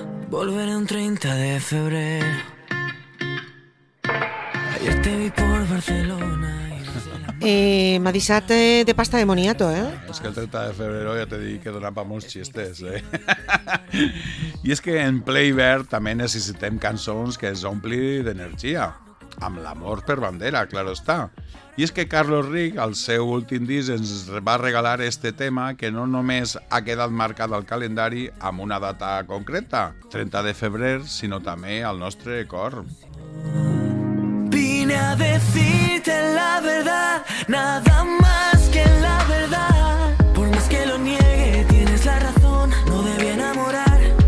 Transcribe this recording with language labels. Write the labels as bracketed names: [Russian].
[Spanish] Volveré un 30 de febrero. Ayer te vi por Barcelona. [Catalan] M'ha deixat de pasta de moniato, eh? És que el 30 de febrero ja t'he dit que donava pa molts xistes, eh? I és que en ple hivern també necessitem cançons que es ompli d'energia. Amb l'amor per bandera, claro està. I és que Carlos Rigg, al seu últim disc, ens va regalar este tema que no només ha quedat marcat al calendari amb una data concreta, 30 de febrer, sinó també al nostre cor. [Spanish] Vine a decirte la verdad, nada más que la verdad. Por más que lo niegue, tienes la razón, no debí enamorar.